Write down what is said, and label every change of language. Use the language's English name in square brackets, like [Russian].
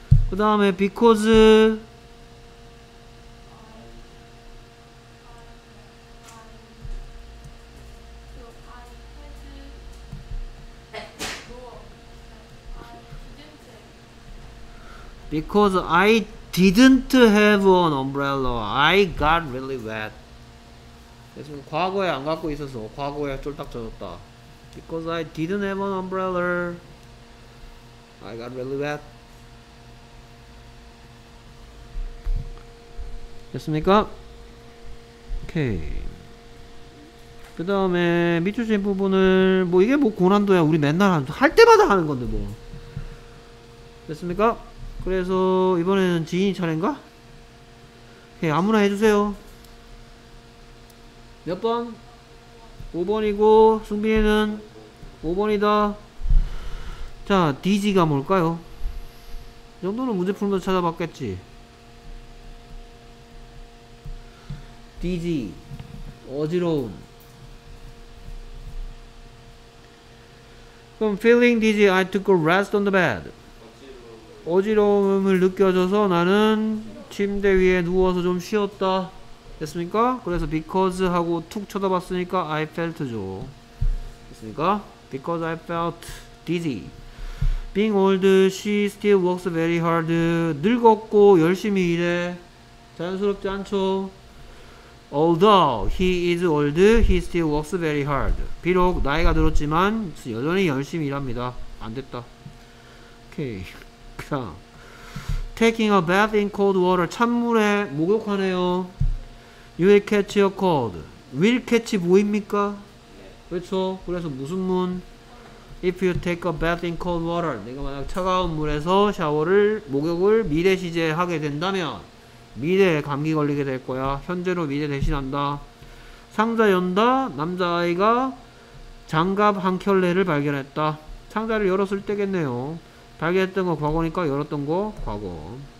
[Korean] 그 다음에 [English] because because I didn't have an umbrella, I got really wet. [Korean] 그래서 과거에 안 갖고 있어서 과거에 쫄딱 젖었다. [English] Because I didn't have an umbrella, I got really wet. [Korean] 됐습니까? 오케이. 그 다음에 밑줄진 부분을 뭐 이게 뭐 고난도야. 우리 맨날 할 때마다 하는 건데 뭐. 됐습니까? 그래서 이번에는 지인이 차례인가? 오케이, 아무나 해주세요. 몇 번? 5번이고 승빈이는 5번이다. 자, DG가 뭘까요? 이 정도는 문제 풀면서 찾아봤겠지. DG 어지러움. 그럼 [English] feeling dizzy, I took a rest on the bed. [Korean] 어지러움을 느껴져서 나는 침대 위에 누워서 좀 쉬었다. 됐습니까? 그래서 because 하고 툭 쳐다봤으니까 I felt죠. 됐습니까? [English] Because I felt dizzy. Being old, she still works very hard. [Korean] 늙었고 열심히 일해. 자연스럽지 않죠? [English] Although he is old, he still works very hard. [Korean] 비록 나이가 들었지만 여전히 열심히 일합니다. 안 됐다. 오케이. 그 다음 [English] Taking a bath in cold water. [Korean] 찬물에 목욕하네요. [English] You will catch a cold. Will catch [Korean] 보입니까? 그렇죠. 그래서 무슨 문? [English] If you take a bath in cold water. [Korean] 내가 만약 차가운 물에서 샤워를, 목욕을 미래 시제에 하게 된다면 미래에 감기 걸리게 될 거야. 현재로 미래 대신한다. 상자 연다. 남자아이가 장갑 한 켤레를 발견했다. 상자를 열었을 때겠네요. 발견했던 거 과거니까 열었던 거 과거.